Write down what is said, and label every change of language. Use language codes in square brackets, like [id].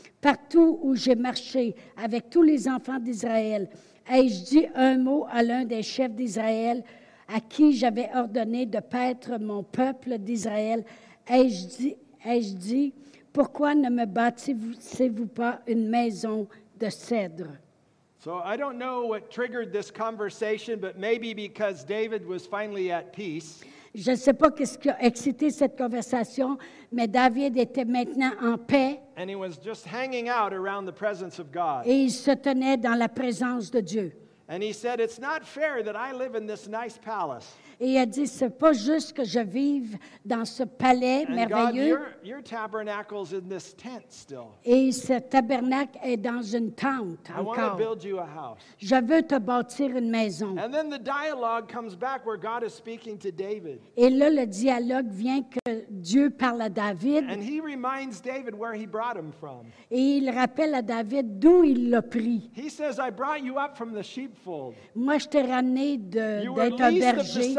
[fr] Partout où j'ai marché avec tous les enfants d'Israël, ai-je dit un mot à l'un des chefs d'Israël à qui j'avais ordonné de paître mon peuple d'Israël? Ai-je dit, pourquoi ne me bâtissez-vous pas une maison de cèdre? [en] So I don't know what triggered this conversation, but maybe because David was finally at peace. [fr] Je ne sais pas ce qui a excité cette conversation, mais David était maintenant en paix. [en] And he was just hanging out around the presence of God. [fr] Et il se tenait dans la présence de Dieu. [en] And he said, it's not fair that I live in this nice palace. [fr] Et il a dit, ce n'est pas juste que je vive dans ce palais [en] and [fr] merveilleux. [en] God, your tabernacle's in this tent still. [fr] Et ce tabernacle est dans une tente [en] I [fr] encore. [en] Want to build you a house. [fr] Je veux te bâtir une maison. [en] And then the dialogue comes back where God is speaking to David. [fr] Et là, le dialogue vient que Dieu parle à David. [en] And he reminds David where he brought him from. [fr] Et il rappelle à David d'où il l'a pris. [en] He says, I brought you up from the sheepfold. [fr] Moi, je t'ai ramené d'être un berger.